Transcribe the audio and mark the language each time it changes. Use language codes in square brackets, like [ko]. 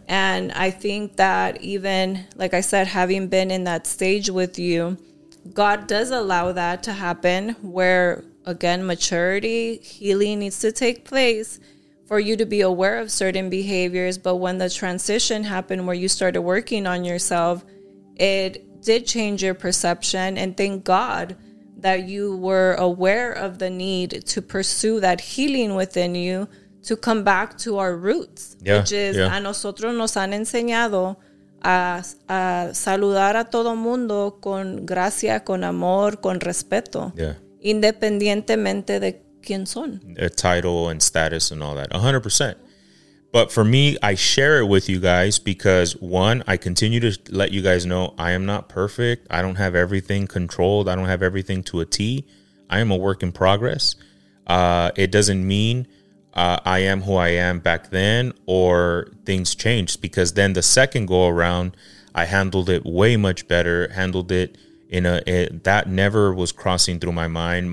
[en] And I think that even, like I said, having been in that stage with you, God does allow that to happen where, again, maturity, healing needs to take place for you to be aware of certain behaviors. But when the transition happened where you started working on yourself, it did change your perception. And thank God that you were aware of the need to pursue that healing within you to come back to our roots, yeah, which is, yeah, [es] a nosotros nos han enseñado a saludar a todo mundo con gracia, con amor, con respeto, [en] yeah, [es] independientemente de quién son. [en] A title and status and all that, 100%. But for me, I share it with you guys because, one, I continue to let you guys know I am not perfect. I don't have everything controlled. I don't have everything to a T. I am a work in progress. It doesn't mean I am who I am back then or things changed, because then the second go around, I handled it way much better, handled it in a, it, that never was crossing through my mind.